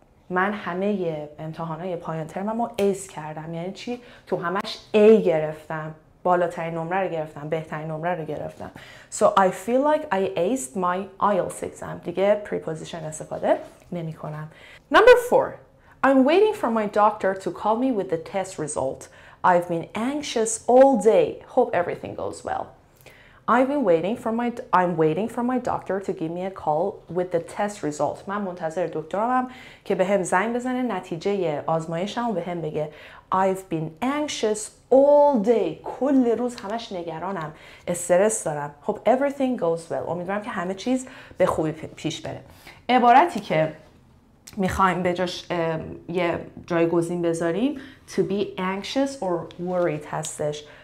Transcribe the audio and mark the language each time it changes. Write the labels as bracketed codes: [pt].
[fa] من همه امتحانات پایان ترممو ایس کردم. یعنی چی؟ تو همش A گرفتم. بالاترین نمره رو گرفتم. بهترین نمره رو گرفتم. [en] So I feel like I aced my IELTS exam. [fa] دیگه preposition استفاده نمی کنم. [en] Number 4. I'm waiting for my doctor to call me with the test result. I've been anxious all day. Hope everything goes well. I'm waiting for my doctor to give me a call with the test result. [fa] من منتظر دکترمم که به هم زنگ بزنه نتیجه آزمایشم به هم بگه. [en] I've been anxious all day. [fa] کل روز همش نگرانم. استرس دارم. [en] Hope everything goes well. [fa] امیدوارم که همه چیز به خوبی پیش بره. عبارتی که میخوایم به جاش یه جایگزین بذاریم [en] to be anxious or worried [fa] هستش.